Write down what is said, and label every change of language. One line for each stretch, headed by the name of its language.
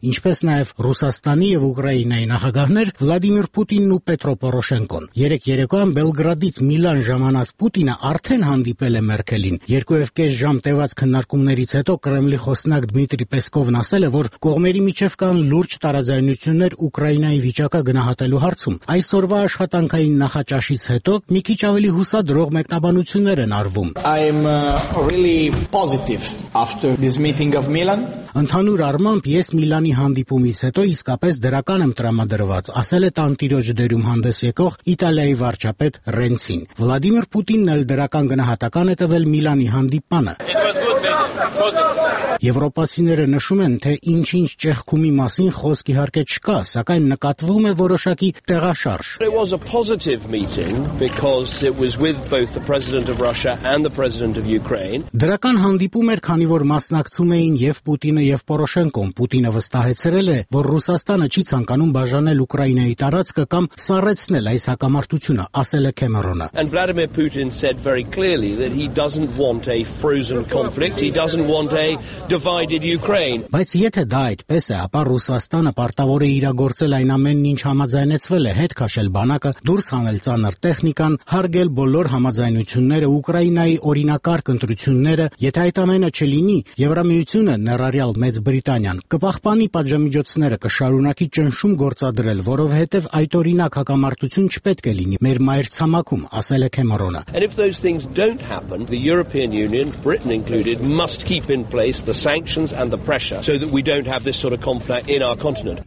Armenian: ինչպես նաև Ռուսաստանի եւ Ուկրաինայի նախագահներ Վլադիմիր Պուտինն ու Պետրո Պորոշենկոն։ Երեկոյան Բելգրադից Միլան ժամանած Պուտինը արդեն հանդիպել է Մերկելին։ Երկու կես ժամ տևած քննարկումներից հետո Կրեմլի խոսնակ Դմիտրի Պեսկովն ասել է, որ կողմերի միջև կան լուրջ տարաձայնություններ Ուկրաինայի վիճակը գնահատելու հարցում։ Այսօրվա աշխատանքային նախաճաշից հետո մի քիչ ավելի հուսադրող մեկնաբանություններ են արվում։
English: I am really positive after this meeting of Milan.
Armenian: Ընդհանուր առմամբ ես Միլանի հանդիպումից հետո իսկապես դրական եմ տրամադրված, ասել է տանտիրոջ դերում հանդես եկող Իտալիայի վարչապետ Ռենցին։ Վլադիմիր Պուտինն էլ դրական գնահատական է տվել Միլանի հանդիպանը։ Եվրոպացիները նշում են, թե ինչ-ինչ ճեղքումի մասին խոսք իհարկե չկա, սակայն նկատվում է որոշակի տեղաշարժ։
English: It was a positive meeting because it was with both the president of Russia and the president of Ukraine.
Armenian: Դրական հանդիպում էր, քանի որ մասնակցում էին եւ Պուտինը եւ Պորոշենկոն։ Պուտինը վստահեցրել է, որ Ռուսաստանը չի ցանկանում բաժանել Ուկրաինայի տարածքը կամ սառեցնել այս հակամարտությունը, ասել է Քեմերոնը։
English: And Vladimir Putin said very clearly that he doesn't want a frozen conflict. He doesn't want a divided Ukraine.
Armenian: Բայց եթե դա այդպես է, ապա Ռուսաստանը պարտավոր է իրագործել այն ամենն, ինչ համաձայնեցվել է՝ հետ քաշել բանակը, դուրս հանել ծանր տեխնիկան, հարգել բոլոր համաձայնությունները, Ուկրաինայի օրինակարգ ընտրությունները, եթե այդ ամենը չլինի, Եվրամիությունը, ներառյալ Մեծ Բրիտանիան, կպահպանի պատժամիջոցները, կշարունակի ճնշում գործադրել, որովհետև այդ օրինակ հակամարտություն չպետք է լինի մեր մայր ցամաքում, ասել է Քեմերոնը։
English: And if those things don't happen, the European Union, Britain included, must keep in place the sanctions and the pressure so that we don't have this sort of conflict in our continent.